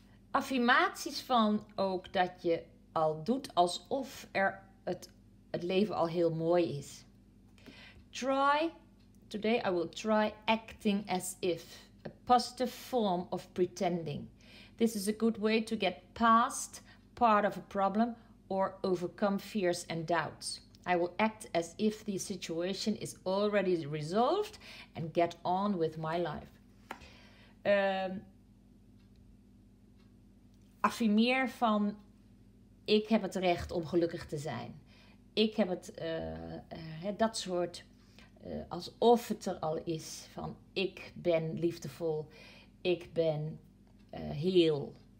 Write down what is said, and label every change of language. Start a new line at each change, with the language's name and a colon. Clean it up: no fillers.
Dutch: Affirmaties van ook dat je al doet alsof er het leven al heel mooi is.
English: Today I will try acting as if. A positive form of pretending. This is a good way to get past part of a problem or overcome fears and doubts. I will act as if the situation is already resolved and get on with my life.
Dutch: Affirmeer van, ik heb het recht om gelukkig te zijn. Ik heb het, dat soort, alsof het er al is van, ik ben liefdevol, ik ben heel.